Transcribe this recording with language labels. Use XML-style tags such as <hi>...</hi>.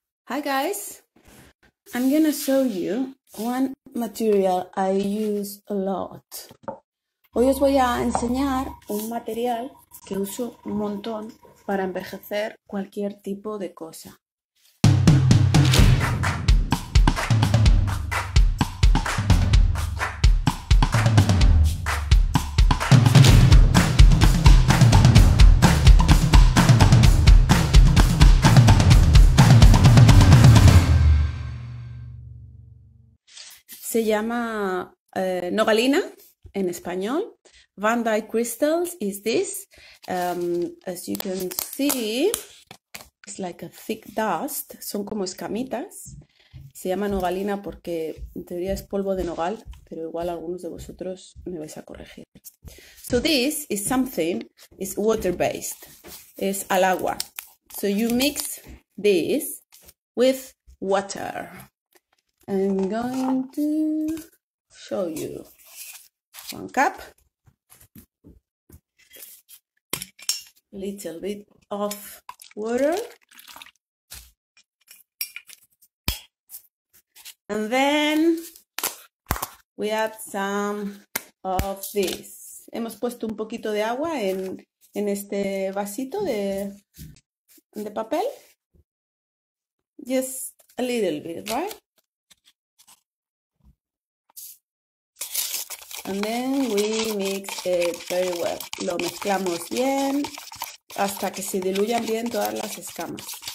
<en>Hi guys, I'm gonna show you one material I use a lot.</en> <es>Hoy os voy a enseñar un material que uso un montón para envejecer cualquier tipo de cosa. Se llama nogalina en español.</es> <en>Vandyke crystals is this. As you can see, it's like a thick dust.</en> <es>Son como escamitas. Se llama nogalina porque en teoría es polvo de nogal, pero igual algunos de vosotros me vais a corregir.</es> <en>So this is something is water based.</en> <es>Es al agua.</es> <en>So you mix this with water. I'm going to show you 1 cup, little bit of water, and then we add some of this.</en> <es>Hemos puesto un poquito de agua en este vasito de papel.</es> <en>Just a little bit, right? And then we mix it very well.</en> <es>Lo mezclamos bien hasta que se diluyan bien todas las escamas.</es>